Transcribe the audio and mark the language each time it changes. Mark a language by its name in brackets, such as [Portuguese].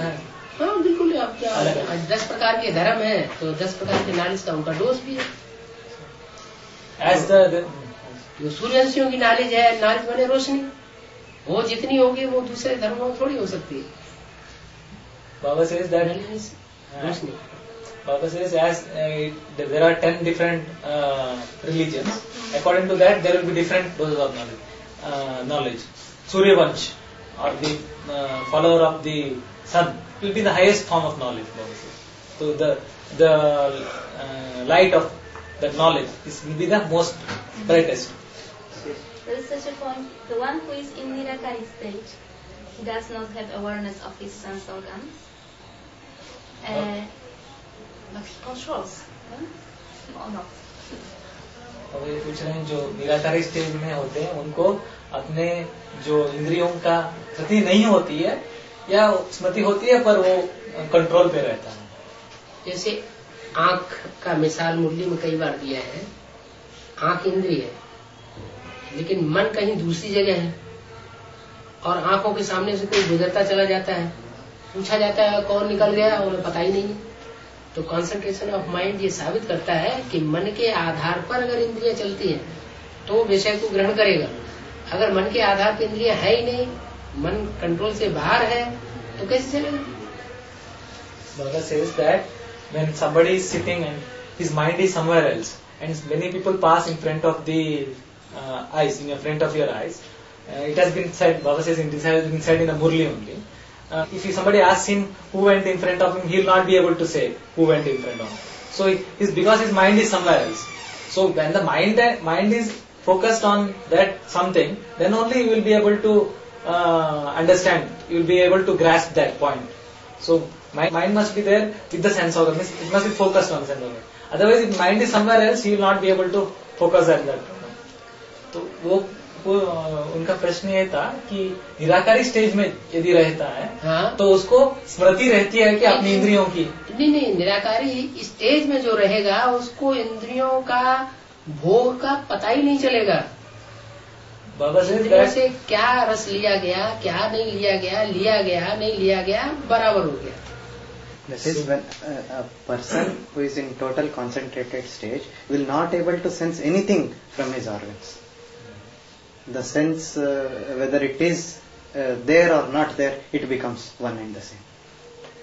[Hindi] हाँ बिल्कुल आप क्या दस प्रकार के धर्म है तो दस प्रकार के नॉलेज का उनका डोज भी है। [English] एज [Hindi] जो सूर्यवंशियों की नॉलेज है नॉलेज बने रोशनी वो जितनी होगी वो दूसरे धर्मों में थोड़ी हो सकती है। [English] Baba says that [Hindi] Roshni [English] Baba says, as there are 10 different religions, according to that, there will be different doses of knowledge. Suryavansh, or the follower of the sun, will be the highest form of knowledge, Baba says. So the light of the knowledge is will be the most brightest. There is such a point, the one who is in Nirakari state, he does not have awareness of his sense organs. [Hindi] अब ये पूछ रहे हैं जो निराकार stage में होते हैं उनको अपने जो इंद्रियों का स्मृति नहीं होती है या स्मृति होती है पर वो कंट्रोल पे रहता है। जैसे आंख का मिसाल मुरली में कई बार दिया है, आंख इंद्रिय है लेकिन मन कहीं दूसरी जगह है और आंखों के सामने से कोई गुजरता चला जाता है पूछा जाता है कौन निकल गया उन्हें पता ही नहीं है। तो [English] concentration of mind [Hindi] ये साबित करता है कि मन के आधार पर अगर इंद्रियां चलती हैं तो विषय को ग्रहण करेगा। अगर मन के आधार पर इंद्रियां है ही नहीं मन कंट्रोल से बाहर है तो कैसे चलेगा। [English] Baba says that when somebody is sitting and his mind is somewhere else and many people pass in front of the eyes, in your front of your eyes. It has been said, Baba says, in this has been said in the Murli only. If somebody asks him who went in front of him, he will not be able to say who went in front of him. So it's because his mind is somewhere else. So when the mind is focused on that something, then only you will be able to understand, you will be able to grasp that point. So mind must be there with the sense organ, it must be focused on the sense organ. Otherwise if mind is somewhere else, you will not be able to focus at that point. [Hindi] So उनका प्रश्न ये था कि निराकारी stage में यदि रहता है हाँ? तो उसको स्मृति रहती है कि अपनी इंद्रियों की नहीं नहीं निराकारी स्टेज में जो रहेगा उसको इंद्रियों का भोग का पता ही नहीं चलेगा बाबा से इंद्रियों से क्या रस लिया गया क्या नहीं लिया गया लिया गया नहीं लिया गया बराबर हो गया [English] That is when a person who is in total concentrated stage will not able to sense anything from his organs. The sense, whether it is there or not there, it becomes one and the same.